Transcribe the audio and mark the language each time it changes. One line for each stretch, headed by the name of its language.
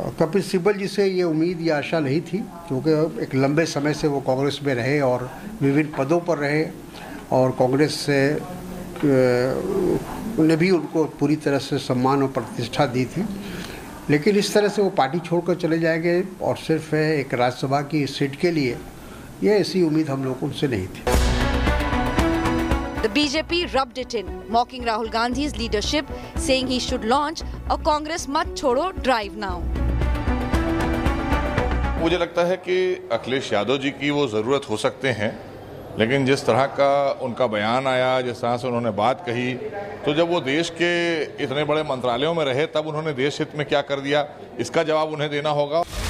Hindi: कपिल सिब्बल जी से ये उम्मीद या आशा नहीं थी, क्योंकि एक लंबे समय से वो कांग्रेस में रहे और विभिन्न पदों पर रहे और कांग्रेस से ने भी उनको पूरी तरह से सम्मान और प्रतिष्ठा दी थी, लेकिन इस तरह से वो पार्टी छोड़कर चले जाएंगे और सिर्फ एक राज्यसभा की सीट के लिए, ये ऐसी उम्मीद हम लोग उनसे नहीं थी।
English: The BJP rubbed it in, mocking Rahul Gandhi's leadership, saying he should launch a Congress Mat Chodo drive now.
Hindi: मुझे लगता है कि अखिलेश यादव जी की वो जरूरत हो सकते हैं, लेकिन जिस तरह का उनका बयान आया, जिस तरह से उन्होंने बात कही, तो जब वो देश के इतने बड़े मंत्रालयों में रहे, तब उन्होंने देश हित में क्या कर दिया, इसका जवाब उन्हें देना होगा।